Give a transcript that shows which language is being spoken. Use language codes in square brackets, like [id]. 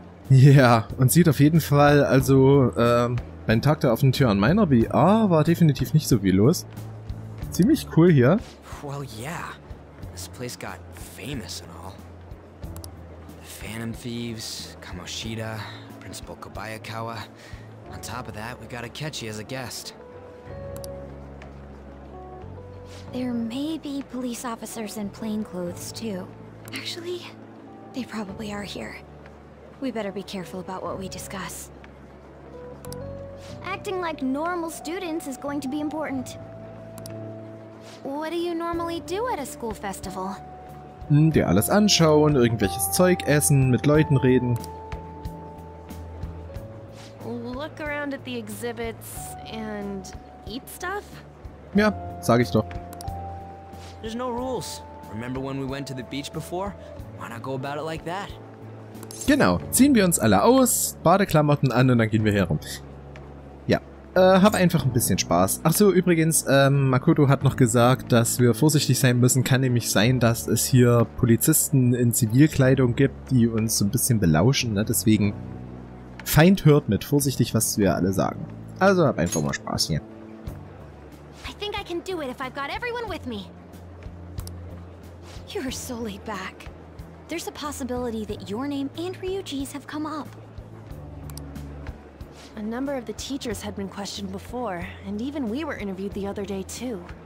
[de] Ja, und sieht auf jeden Fall, also beim Tag der offenen Tür an meiner VR war definitiv nicht so viel los. Ziemlich cool hier. [en] Well, yeah. This place got famous and all. Phantom Thieves, Kamoshida, Principal Kobayakawa. On top of that, we got Akechi as a guest. There may be police officers in plain clothes too. Actually, they probably are here. We better be careful about what we discuss. Acting like normal students is going to be important. What do you normally do at a school festival? [de] Dir alles anschauen, irgendwelches Zeug essen, mit Leuten reden. [en] Look around at the exhibits and eat stuff? [de] Ja, sag ich doch. [en] There's no rules. Remember when we went to the beach before? Why not go about it like that? [de] Genau, ziehen wir uns alle aus, Badeklamotten an und dann gehen wir hier rum. Hab einfach ein bisschen Spaß. Achso, übrigens, Makoto hat noch gesagt, dass wir vorsichtig sein müssen. Kann nämlich sein, dass es hier Polizisten in Zivilkleidung gibt, die uns so ein bisschen belauschen. Ne? Deswegen, Feind hört mit. Vorsichtig, was wir alle sagen. Also, hab einfach mal Spaß hier. [en] I think I can do it if I've got everyone with me. You're so laid back. There's a possibility that your name and Ryuji's have come up. A number of the teachers had been questioned before, and even we were interviewed the other day, too.